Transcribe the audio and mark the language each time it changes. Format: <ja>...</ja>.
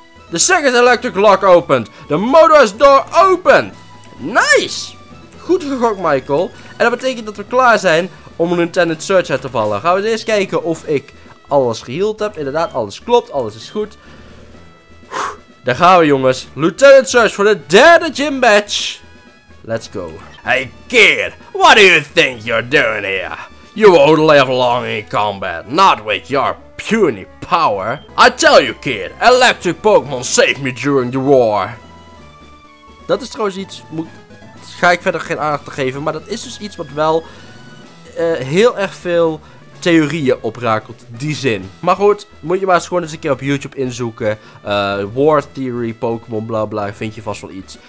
<en>The second electric lock opened. The motor's door opened. Nice.</en> <nl>Goed gegokt, Michael. En dat betekent dat we klaar zijn om een Lieutenant Surge uit te vallen. Gaan we eerst kijken of ik alles geheeld heb. Inderdaad, alles klopt. Alles is goed. Daar gaan we jongens. Lieutenant Surge voor de derde gym badge.</nl> <en>Let's go. Hey kid, what do you think you're doing here? You won't live long in combat, not with your puny power. I tell you kid, electric Pokémon saved me during the war.</en> <nl>Dat is trouwens iets, ga ik verder geen aandacht geven, maar dat is dus iets wat wel heel erg veel theorieën oprakelt, die zin. Maar goed, moet je maar eens gewoon eens een keer op YouTube inzoeken. War Theory, Pokémon, bla bla, vind je vast wel iets.</nl>